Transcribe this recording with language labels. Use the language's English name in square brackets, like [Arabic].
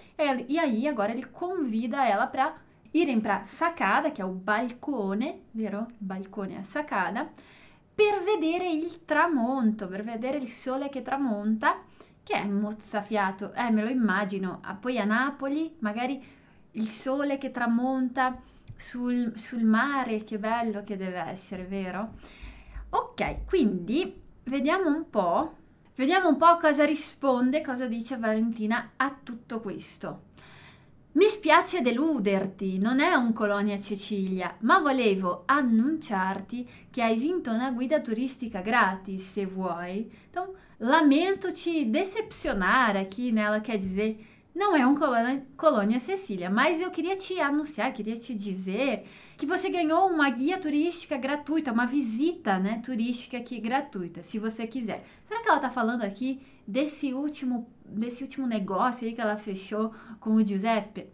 [Portuguese] E aí agora ele convida ela para irem para sacada, [Italian] che è [Portuguese] o balcone, vero? [Italian] Balcone a sacada, per vedere il tramonto, per vedere il sole che tramonta, che è mozzafiato. Me lo immagino. Poi a Napoli, magari il sole che tramonta sul mare, che bello che deve essere, vero? Ok, quindi vediamo un po' cosa risponde, cosa dice Valentina a tutto questo. Mi spiace deluderti, non è un Colonia Cecilia, ma volevo annunciarti che hai vinto una guida turistica gratis, se vuoi. [Portuguese] Então, lamento te decepcionare, aqui, né? Ela quer dizer, não é um Colonia Cecilia, mas eu queria te anunciar, queria te dizer que você ganhou uma guia turística gratuita, uma visita, né, turística aqui gratuita, se você quiser. Será que ela está falando aqui desse último negócio aí que ela fechou com o Giuseppe?